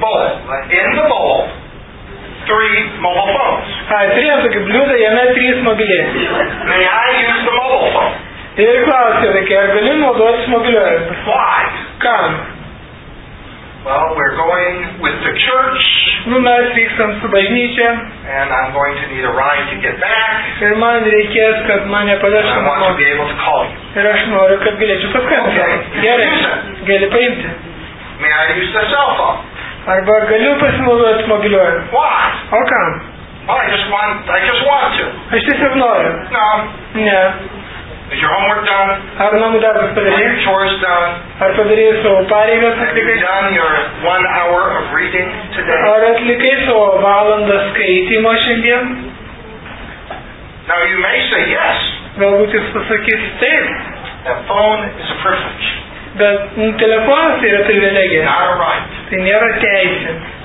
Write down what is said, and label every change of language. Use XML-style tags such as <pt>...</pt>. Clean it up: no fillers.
<en>Bowl. In the bowl. Three mobile phones. Hi, three mobile phones. May I use the mobile phone?</en> <lt>Ir klausiau, reikia, ar galiu naudotis mobiliuoju?</lt> <en>Why?</en> <lt>Kam?</lt> <en>Well, we're going with the church.</en> <lt>Nu, mes vykstam su bažnyčia.</lt> <en>And I'm going to need a ride to get back.</en> <lt>Ir man reikės, kad mane pavežtų.</lt> <en>I want to be able to call you.</en> <lt>Ir aš noriu, kad galėčiau paskambinti.</lt> <en>Okay.</en> <lt>Gerai, gali paimti.</lt> <en>May I use the cell phone?</en> <lt>Arba galiu pasinaudoti mobiliuoju.</lt> <en>What?</en> <lt>O kam?</lt> <en>Well, I just want to.</en> <lt>Aš tiesiog noriu.</lt> <en>No.</en> <lt>Ne.</lt> <en>Is your homework done?</en> <lt>Ar namų darbas padarė?</lt> <en>Are your chores done?</en> <lt>Ar padarėjai savo pareigas?</lt> <en>Have you done your one hour of reading today?</en> <lt>Ar atlikai savo valandą skaitymo šiandien?</lt> <en>Now you may say yes.</en> <lt>Galbūt jis pasakys taip.</lt> <en>A phone is a privilege.</en> <lt>Bet telefonas yra privilegija. Tai nėra teisė.</lt>